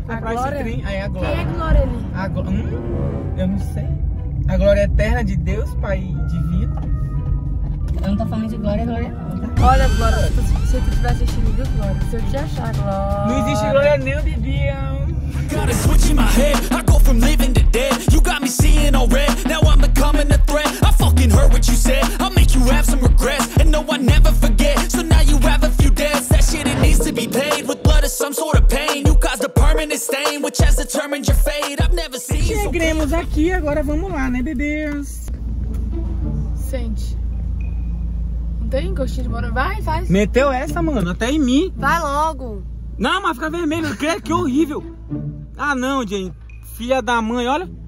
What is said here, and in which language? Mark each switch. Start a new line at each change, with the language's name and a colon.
Portuguese: Comprar esse trem. Aí a Glória. Quem é a Glória ali? Eu não sei. A Glória Eterna de Deus, Pai Divino. Eu não tô falando de Glória, Glória. Olha, Glória, se tu estiver assistindo, viu, Glória? Se eu te achar, Glória. Não existe Glória nem o Bibião.
English: Gotta switch in my head, I go from living to dead. You got me seeing all red, now I'm becoming a threat. I fucking heard what you said, I'll make you have some regrets. And no, I never forget, so now you have a few deaths. That shit, it needs to be paid with blood or some sort of pain. You caused a permanent stain, which has determined your fate. I've never seen you so...
Portuguese: Chegamos aqui, agora vamos lá, né, bebês? Sente. Não tem gostinho de morango? Vai, faz. Meteu essa, mano, até em mim. Vai logo. Não, mas fica vermelho. Creio que é horrível. Ah, não, gente. Filha da mãe, olha.